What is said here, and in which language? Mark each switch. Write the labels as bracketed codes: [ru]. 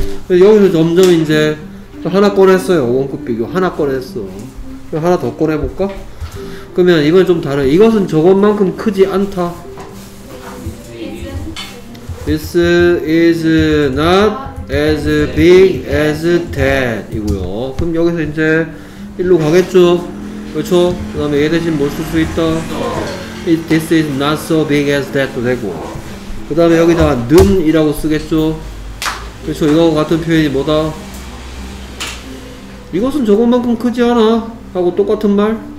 [ko] 여기서 점점 이제 하나 꺼냈어요. 원급 비교 하나 꺼냈어. 그럼 하나 더 꺼내볼까? 그러면 이건 좀 다른. 이것은 저것만큼 크지 않다. [en] This is not as big as that [ko] 이고요. 그럼 여기서 이제 일로 가겠죠. 그렇죠? 그 다음에 얘 대신 뭘 쓸 수 있다? [en] This is not so big as that [ko] 도 되고, 그 다음에 여기다가 는 이라고 쓰겠죠. 그렇죠? 이거 같은 표현이 뭐다? 이것은 저것만큼 크지 않아 하고 똑같은 말?